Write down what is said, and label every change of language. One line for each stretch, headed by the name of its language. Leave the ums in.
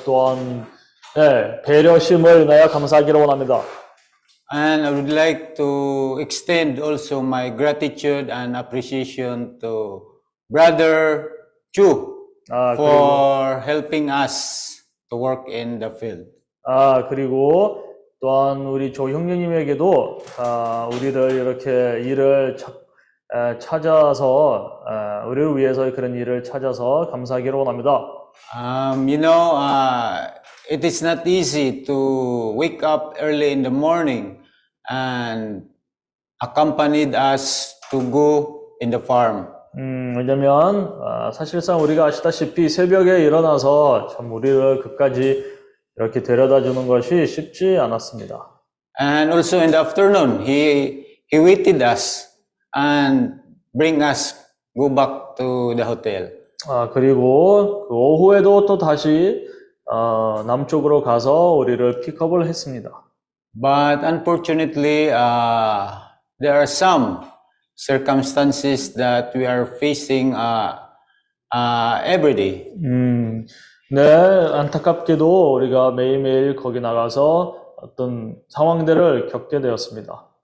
Korean: 또한 예, 네, 배려심을 내어 감사하기를 원합니다.
English: And I would like to extend also my gratitude and appreciation to Brother Chu for helping us to work in the field.
Korean: 아 그리고 또한 우리 조 형제님에게도 아, 우리들 이렇게 일을 찾, 아서 우리를 위해서 그런 일을 찾아서 감사하기로 원합니다.
English: Um, you know, it is not easy to wake up early in the morning. and accompanied us to go in the farm. 음,
Korean: 왜냐면 어, 사실상 우리가 아시다시피 새벽에 일어나서 참 우리를 그까지 이렇게 데려다 주는 것이 쉽지 않았습니다.
English: And also in the afternoon, he he waited us and bring us go back to the hotel.
Korean: 아 그리고 그 오후에도 또 다시 어, 남쪽으로 가서 우리를 픽업을 했습니다.
English: But unfortunately, there are some circumstances that we are facing every day.
Korean: 네, 안타깝게도 우리가 매일매일 거기 나가서 어떤 상황들을 겪게 되었습니다.